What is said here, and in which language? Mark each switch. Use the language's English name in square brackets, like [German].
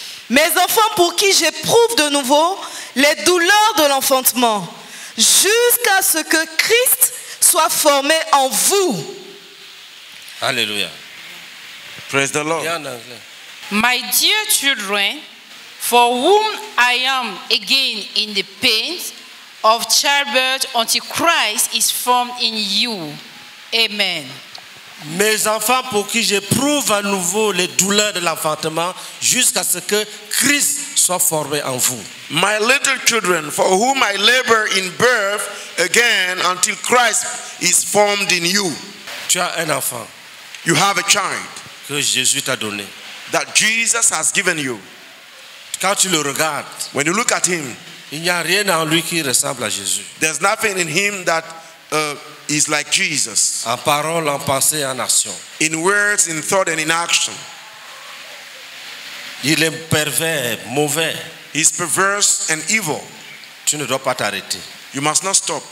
[French] Mes enfants pour qui j'éprouve de nouveau les douleurs de l'enfantement jusqu'à ce que Christ soit formé en vous. [English] Hallelujah. Praise the Lord. My dear children, for whom I am again in the pains of childbirth until Christ is formed in you. Amen. [French] Mes enfants pour qui j'éprouve à nouveau les douleurs de l'enfantement jusqu'à ce que Christ soit formé en vous. [English] My little children, for whom I labor in birth again until Christ is formed in you. [French] Tu as un enfant. [English] You have a child [French] que Jésus t'a donné. [English] That Jesus has given you. [French] Quand tu le regardes, [English] when you look at him, [French] il n'y a rien en lui qui ressemble à Jésus. [English] There's nothing in him that is like Jesus. [French] En parole, en pensée, en action. [English] In words, in thought, and in action. [French] Il est pervers, mauvais. [English] He's perverse and evil. [French] Tu ne dois pas t'arrêter. [English] You must not stop.